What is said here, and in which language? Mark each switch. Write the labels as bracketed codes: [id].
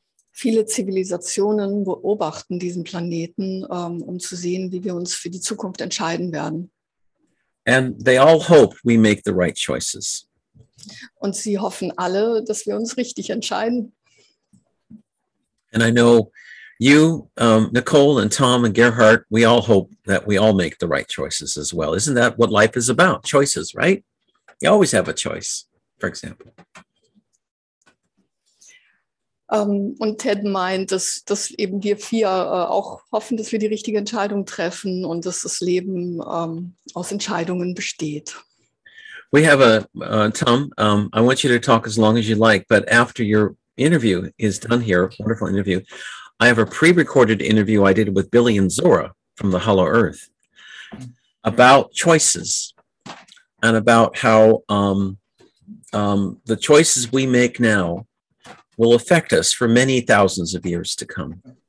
[de] Viele Zivilisationen beobachten diesen Planeten, um zu sehen, wie wir uns für die Zukunft entscheiden werden. [en] And they all hope we make the right choices. [de] Und sie hoffen alle, dass wir uns richtig entscheiden. [en] And I know you, Nicole and Tom and Gerhard, we all hope that we all make the right choices as well. Isn't that what life is about? Choices, right? You always have a choice, for example. [de] Und Ted meint, dass eben wir vier auch hoffen, dass wir die richtige Entscheidung treffen und dass das Leben aus Entscheidungen besteht. [en] We have Tom, I want you to talk as long as you like, but after your interview is done here, wonderful interview, I have a pre-recorded interview I did with Billie and Zorra from the Hollow Earth about choices and about how the choices we make now will affect us for many thousands of years to come.